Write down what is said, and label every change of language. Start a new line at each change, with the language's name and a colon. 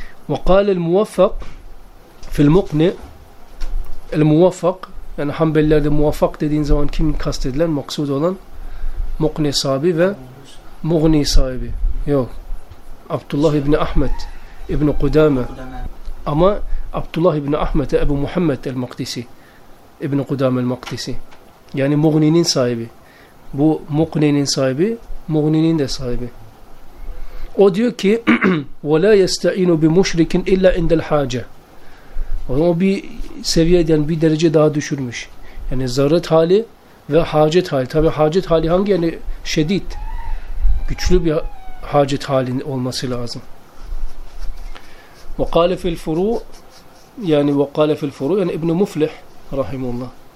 Arabic: Ve kâle el muvaffak
Turkish: fil muqni el muvaffak, yani Hanbelilerde muvaffak dediğin zaman kim kastedilen, maksud olan Mugni sahibi ve Mugni sahibi. Yok. Abdullah İbni Ahmet İbni Kudame. Ama Abdullah İbni Ahmet Ebu Muhammed el-Maktisi İbni Kudame el-Maktisi. Yani Mugni'nin sahibi. Bu Mugni'nin sahibi, Mugni'nin de sahibi. O diyor ki
Arabic: وَلَا يَسْتَعِينُ بِمُشْرِكٍ اِلَّا اِنْدَ الْحَاجَةِ.
Turkish: O bir seviye, yani bir derece daha düşürmüş. Yani zaruret hali ve hacet hali. Tabi hacet hali hangi, yani şedid, güçlü bir hacet halinin olması lazım.
Arabic: وَقَالَ فِي الْفُرُوْ, yani وَقَالَ فِي الْفُرُوْ, yani İbn-i Muflih rahimullah.